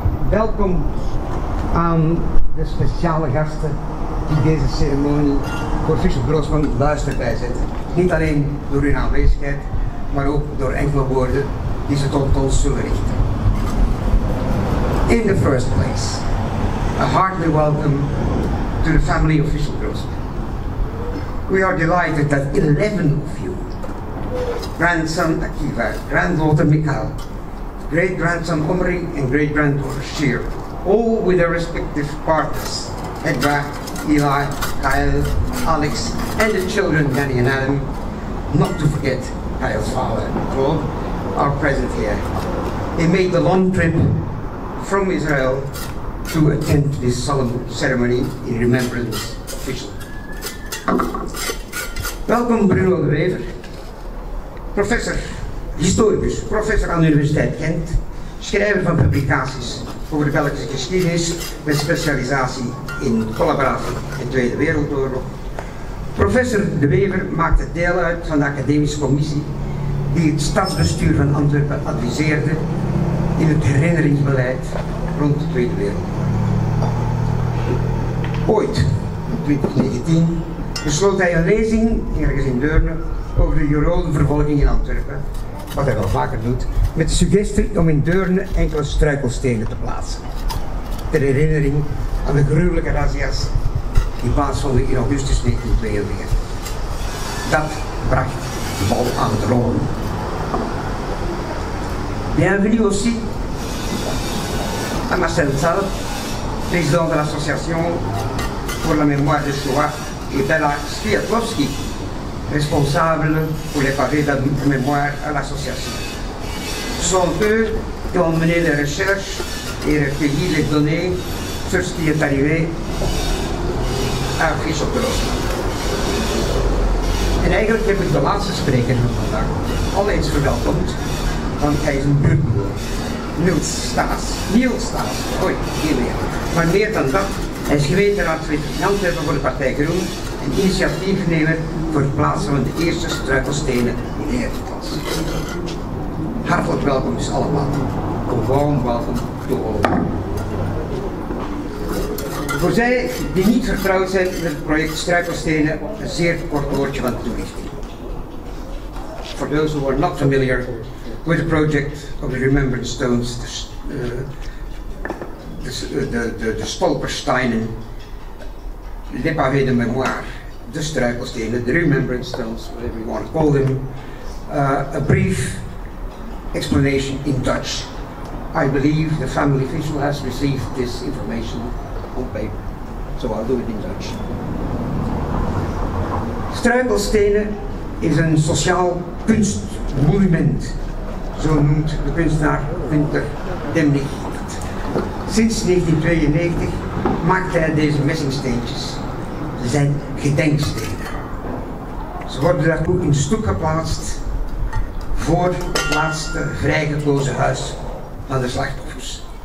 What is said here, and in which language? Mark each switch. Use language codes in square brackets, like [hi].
[nl] Welkom aan de speciale gasten die deze ceremonie voor Fischel Grosman luister bijzetten. Niet alleen door hun aanwezigheid, maar ook door enkele woorden die ze tot ons zullen richten. [en] In the first place, a hearty welcome to the family of Fischel Grosman. We are delighted that 11 of you, grandson Akiva, granddaughter Mikhail, great-grandson Omri, and great-granddaughter Shir, all with their respective partners, Edra, Eli, Kyle, Alex, and the children Danny and Adam, not to forget Kyle's father, Claude, are present here. They made the long trip from Israel to attend this solemn ceremony in remembrance of Fischel. [nl] Welkom Bruno De Wever, professor, historicus, professor aan de Universiteit Gent, schrijver van publicaties over de Belgische geschiedenis met specialisatie in collaboratie en Tweede Wereldoorlog. Professor De Wever maakte deel uit van de academische commissie die het stadsbestuur van Antwerpen adviseerde in het herinneringsbeleid rond de Tweede Wereldoorlog. Ooit, in 2019, besloot hij een lezing, ergens in Deurne, over de Jodenvervolging in Antwerpen, wat hij wel vaker doet, met de suggestie om in Deurne enkele struikelstenen te plaatsen, ter herinnering aan de gruwelijke razzia's die plaatsvonden in augustus 1942. Dat bracht de bal aan het rollen. [fr] Bienvenue aussi à Marcel Zalc, président de l'Association pour la mémoire de Shoah, et Bella Sviatkowski, responsable pour les pavés de la mémoire à l'Association. Ce sont eux qui ont mené les recherches et recueilli les données sur ce qui est arrivé à Fischel Grosman. [nl] En eigenlijk heb ik de laatste spreker van vandaag al eens verwelkomd, want hij is een buurtboer. Niel Staes, hoi, hier weer. Maar meer dan dat, hij is gemeenteraad van Antwerpen voor de Partij Groen en initiatiefnemer voor het plaatsen van de eerste struikelstenen in de Herfstklas. Hartelijk welkom dus allemaal. Kom gewoon welkom toe over. Voor zij die niet vertrouwd zijn met het project Struikelstenen, een zeer kort woordje van toelichting. [en] For those who are not familiar with the project of the Remembered Stones, the Stolpersteinen, [fr] les pavés de mémoire, [nl] de Struikelstenen, [en] the Remembered Stones, whatever you want to call them, a brief explanation in Dutch. I believe the family official has received this information on paper, so I'll do it in Dutch. [nl] Struikelstenen is een sociaal kunstmonument, zo noemt de kunstenaar Winter Demnig. Sinds 1992 maakt hij deze messingsteentjes. Ze zijn gedenkstenen. Ze worden daartoe in stoek geplaatst voor het laatste vrijgekozen huis van de slachtoffers.